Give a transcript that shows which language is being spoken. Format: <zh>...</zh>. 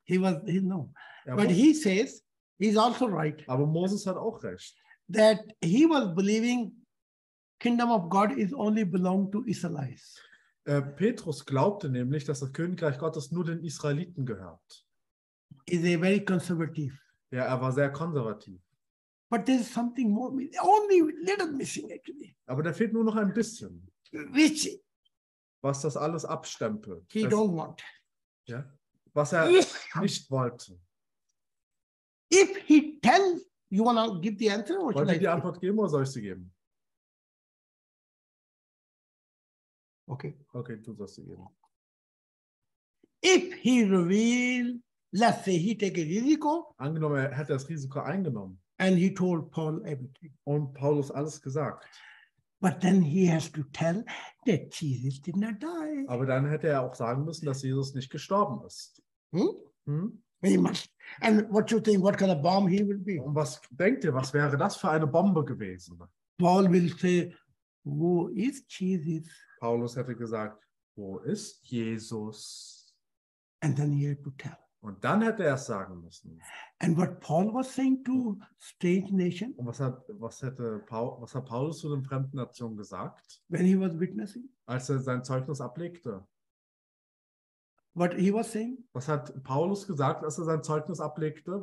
<en>He says, he's also right.</en> <de>Aber Moses hat auch recht.</de> <en>That he was believing kingdom of God is only belong to Israelites.</en> <de>Petrus glaubte nämlich, dass das Königreich Gottes nur den Israeliten gehört.</de> <en>Is a very conservative.</en> <de>Ja, er war sehr konservativ.</de> <en>But there is something more, only little missing actually.</en> <de>Aber da fehlt nur noch ein bisschen.</de> <en>Which?</en> <de>Was das alles abstempelt.</de> <en>He don't want.</en> <de>Ja, was er nicht wollte.</de> <en>If he tells. You want to give the answer?</en> <de>Wollt ihr die Antwort geben oder soll ich sie geben?</de> <en>Okay,</en> <de>du sollst sie geben.</de> <en>If he reveal, let's say he take a risiko.</en> <de>Angenommen, er hätte das Risiko eingenommen.</de> <en>And he told Paul everything.</en> <de>Und Paulus alles gesagt.</de> <en>But then he has to tell that Jesus did not die.</en> <de>Aber dann hätte er auch sagen müssen, dass Jesus nicht gestorben ist.</de> <en>And what you think, what kind of bomb he will be?</en> <de>Und was denkt ihr, was wäre das für eine Bombe gewesen?</de> <en>Paul will say,</en> <de>wo ist Jesus? Paulus hätte gesagt, wo ist Jesus?</de> <en>And then he had to tell.</en> <de>Und dann hätte er es sagen müssen.</de> <en>And what Paul was saying to strange nation?</en> <de>Und was hat Paulus zu den fremden Nationen gesagt?</de> <en>When he was witnessing?</en> <de>Als er sein Zeugnis ablegte.</de> <en>What he was saying?</en> <de>Was hat Paulus gesagt, als er sein Zeugnis ablegte?</de>